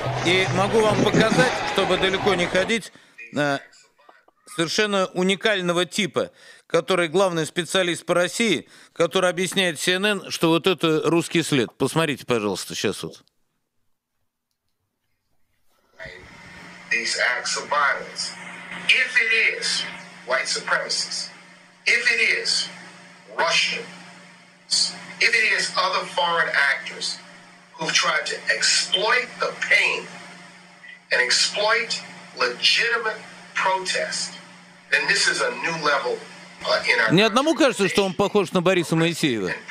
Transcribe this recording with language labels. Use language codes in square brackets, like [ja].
[ru] И могу вам показать, чтобы далеко не ходить, совершенно уникального типа, который главный специалист по России, который объясняет CNN, что вот это русский след. Посмотрите, пожалуйста, сейчас вот. [en] These acts of violence, if it is white supremacists, if it is Russians, if it is other foreign actors who've tried to exploit the pain and exploit legitimate protest, then this is a new level in our... [ru] Ни одному кажется, что он похож на Бориса Моисеева.